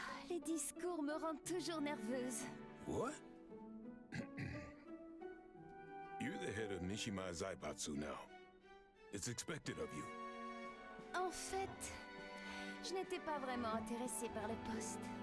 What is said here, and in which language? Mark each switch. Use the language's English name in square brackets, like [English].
[French] Les discours me rendent toujours nerveuse. [English] What? You're the head of Mishima Zaibatsu now. It's expected of you. [French] En fait, je n'étais pas vraiment intéressée par le poste.